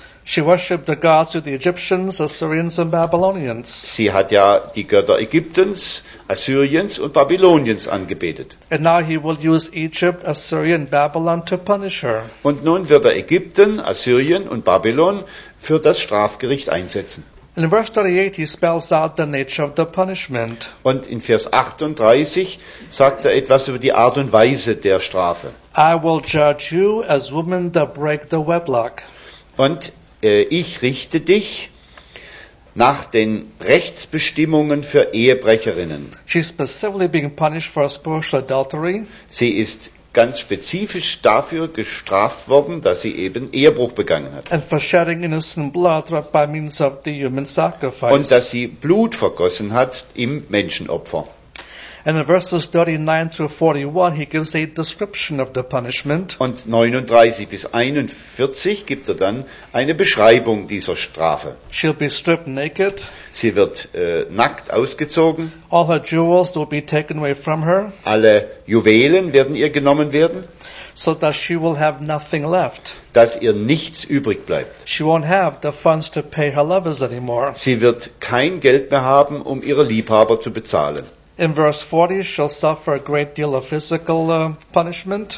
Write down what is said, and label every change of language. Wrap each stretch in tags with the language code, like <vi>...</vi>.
<en>She worshipped the gods of the Egyptians, Assyrians and Babylonians.</en> <de>Sie hat ja die Götter Ägyptens, Assyriens und Babyloniens angebetet.</de> <en>And now he will use Egypt, Assyria and Babylon to punish her.</en> <de>Und nun wird Ägypten, Assyrien und Babylon für das Strafgericht einsetzen.</de> <en>In verse 38 he spells out the nature of the punishment.</en> <de>Und in Vers 38 sagt etwas über die Art und Weise der Strafe.</de> <en>I will judge you as women that break the wedlock.</en> <de>Und ich richte dich nach den Rechtsbestimmungen für Ehebrecherinnen.</de> <en>She's specifically being punished for spiritual adultery.</en> <de>Sie ist ganz spezifisch dafür gestraft worden, dass sie eben Ehebruch begangen hat.</de> <en>And for shedding innocent blood by means of the human sacrifice.</en> <de>Und dass sie Blut vergossen hat im Menschenopfer.</de> <en>And in verses 39 through 41, he gives a description of the punishment.</en> <de>Und 39 bis 41 gibt dann eine Beschreibung dieser Strafe.</de> <en>She'll be stripped naked.</en> <de>Sie wird nackt ausgezogen.</de> <en>All her jewels will be taken away from her.</en> <de>Alle Juwelen werden ihr genommen werden.</de> <en>So that she will have nothing left.</en> <de>Dass ihr nichts übrig bleibt.</de> <en>She won't have the funds to pay her lovers anymore.</en> <de>Sie wird kein Geld mehr haben, um ihre Liebhaber zu bezahlen.</de> <en>In verse 40, she'll suffer a great deal of physical punishment.</en>